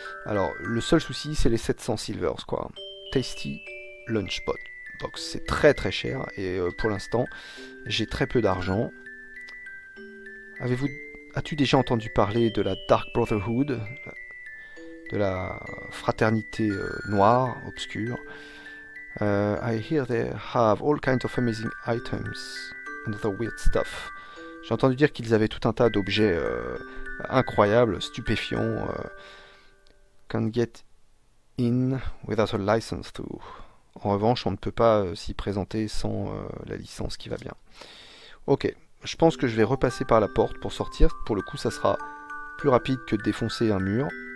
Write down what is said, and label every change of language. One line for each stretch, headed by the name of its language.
French: Alors, le seul souci, c'est les 700 silvers, quoi. Tasty lunchbox. Donc, c'est très très cher. Et pour l'instant, j'ai très peu d'argent. As-tu déjà entendu parler de la Dark Brotherhood, de la fraternité noire, obscure?
English: I hear they have all kinds of amazing items and other weird stuff.
French: J'ai entendu dire qu'ils avaient tout un tas d'objets incroyables, stupéfiants.
English: Can't get in without a license to.
French: En revanche, on ne peut pas s'y présenter sans la licence qui va bien. Ok. Je pense que je vais repasser par la porte pour sortir. Pour le coup, ça sera plus rapide que de défoncer un mur.